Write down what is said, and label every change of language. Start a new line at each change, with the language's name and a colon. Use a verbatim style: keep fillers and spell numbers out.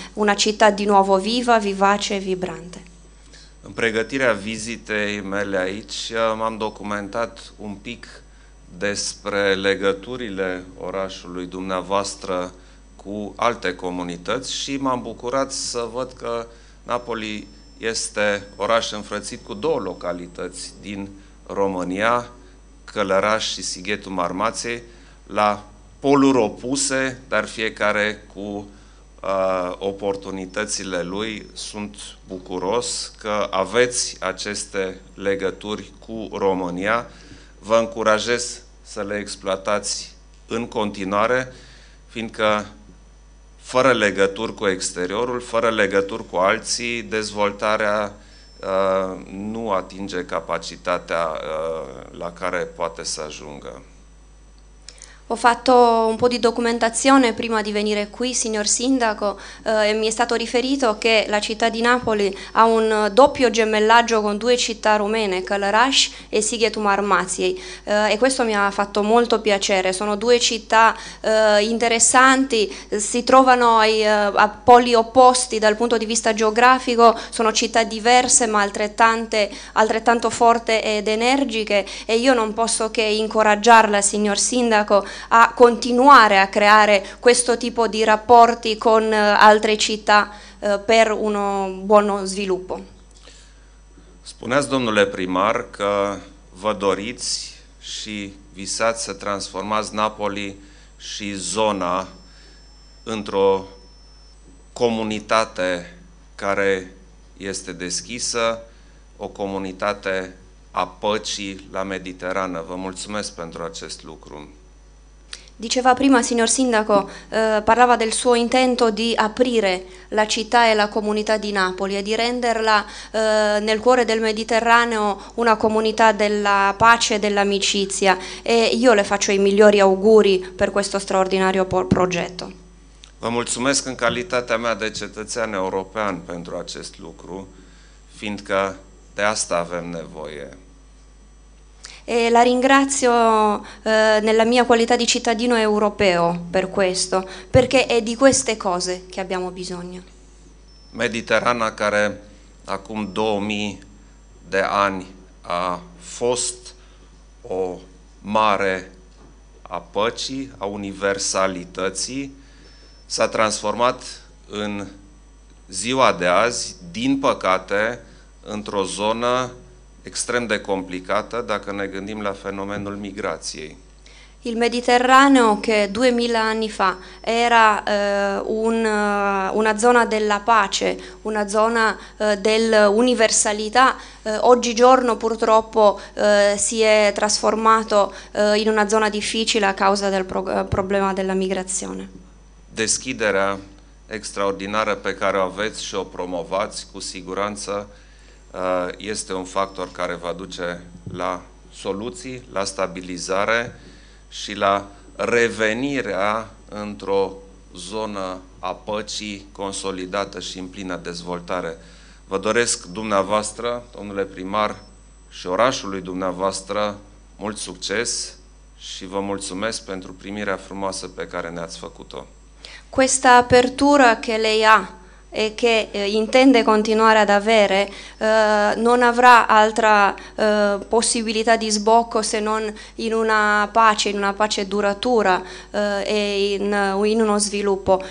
Italian: Una città di nuovo viva, vivace e vibrante.
Romanian: În pregătirea vizitei mele aici m-am documentat un pic despre legăturile orașului dumneavoastră cu alte comunități și m-am bucurat să văd că Napoli este oraș înfrățit cu două localități din România, Călăraș și Sighetul Marmației, la poluri opuse, dar fiecare cu Uh, oportunitățile lui. Sunt bucuros că aveți aceste legături cu România. Vă încurajez să le exploatați în continuare, fiindcă fără legături cu exteriorul, fără legături cu alții, dezvoltarea uh, nu atinge capacitatea uh, la care poate să ajungă.
Italian: Ho fatto un po' di documentazione prima di venire qui, signor Sindaco, eh, e mi è stato riferito che la città di Napoli ha un doppio gemellaggio con due città rumene, Călăraș e Sighetul Marmației, eh, e questo mi ha fatto molto piacere. Sono due città eh, interessanti, si trovano ai, a poli opposti dal punto di vista geografico, sono città diverse ma altrettante, altrettanto forte ed energiche e io non posso che incoraggiarla, signor Sindaco, a continuare a creare questo tipo di rapporti con altre città eh, per uno buono sviluppo.
Romanian: Spuneați, domnule primar, că vă doriți și visați să transformați Napoli și zona într-o comunitate care este deschisă, o comunitate a păcii la Mediterană. Vă mulțumesc pentru acest lucru.
Italian: Diceva prima, signor Sindaco, eh, parlava del suo intento di aprire la città e la comunità di Napoli e di renderla eh, nel cuore del Mediterraneo una comunità della pace e dell'amicizia e io le faccio i migliori auguri per questo straordinario progetto.
Romanian: Vă mulțumesc în calitatea mea de cetățean european pentru acest lucru, fiindcă de asta avem nevoie.
Italian: E la ringrazio eh, nella mia qualità di cittadino europeo per questo, perché è di queste cose che abbiamo bisogno.
Romanian: Mediterana care acum două mii de ani a fost o mare a păcii, a universalității, s-a transformat în ziua de azi, din păcate, într-o zonă extrem de complicată dacă ne gândim la fenomenul migrației.
Italian: Il Mediterraneo che duemila anni fa era eh, un, una zona della pace, una zona eh, dell'universalità, eh, oggigiorno purtroppo eh, si è trasformato eh, in una zona difficile a causa del pro- problema della migrazione.
Romanian: Deschiderea extraordinară pe care o aveți și o promovați cu siguranță este un factor care va duce la soluții, la stabilizare și la revenirea într-o zonă a păcii consolidată și în plină dezvoltare. Vă doresc dumneavoastră, domnule primar, și orașului dumneavoastră mult succes și vă mulțumesc pentru primirea frumoasă pe care ne-ați făcut-o.
Italian: Questa apertura che lei ha e che eh, intende continuare ad avere eh, non avrà altra eh, possibilità di sbocco se non in una pace, in una pace duratura eh, e in, in uno sviluppo.